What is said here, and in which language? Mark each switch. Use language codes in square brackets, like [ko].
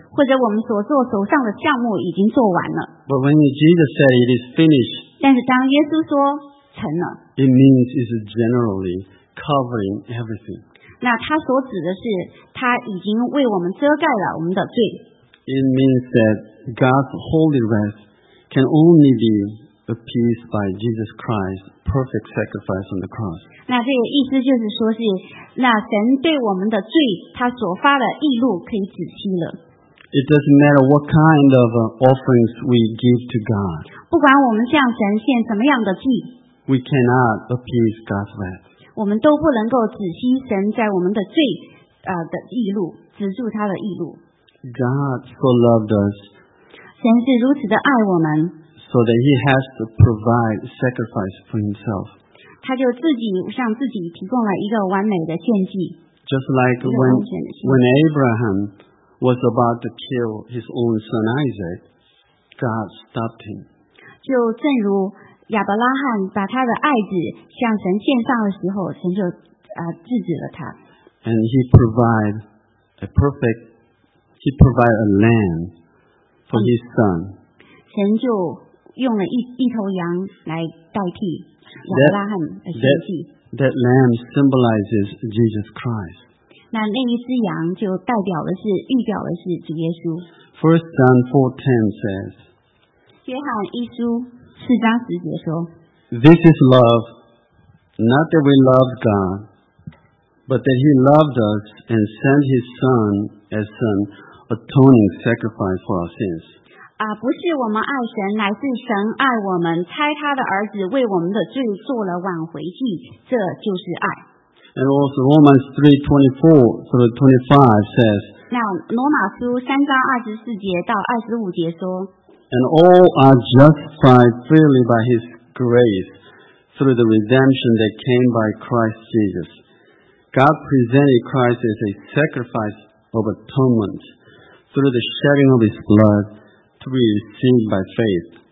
[zh] 或者我们所做手上的项目已经做完了。 [en] But when Jesus said it is finished, [zh] 但是当耶稣说成了， [en] it means it's generally covering everything. [zh] 那他所指的是他已经为我们遮盖了我们的罪。 [en] It means that God's holy wrath can only be appeased by Jesus Christ's perfect sacrifice on the cross. [zh] 那这个意思就是说是那神对我们的罪他所发的义怒可以止息了。 [en] It doesn't matter what kind of offerings we give to God. [zh] 不管我们向神献什么样的祭， [en] we cannot appease God's wrath. [zh] 我们都不能够止息神在我们的罪的义怒，止住他的义怒。 [en] God so loved us. [zh] 神是如此的爱我们， [en] so that he has to provide sacrifice for himself. [zh] 他就自己向自己提供了一个完美的献祭。 [en] Just like when Abraham was about to kill his own son Isaac, God stopped him. [zh] 就正如亚伯拉罕把他的爱子向神献上的时候，神就制止了他。 [en] And he provided a lamb for his son. [zh] 神就用了一头羊来代替亚伯拉罕的献祭。 [en] That lamb symbolizes Jesus Christ. [zh] 那一只羊就代表的是预表的是主耶稣。 [en] 1 John 4:10 says, [zh] 约翰一书四章十节说， [en] This is love, not that we loved God, but that he loved us and sent his son as an atoning sacrifice for our sins. [zh] 不是我们爱神，乃是神爱我们，差他的儿子为我们的罪做了挽回祭，这就是爱。 [en] And also Romans 3:24-25 says, [zh] 那罗马书三章二十四节到二十五节说， [en] And all are justified freely by his grace through the redemption that came by Christ Jesus. God presented Christ as a sacrifice of atonement through the shedding of his blood to be received by faith.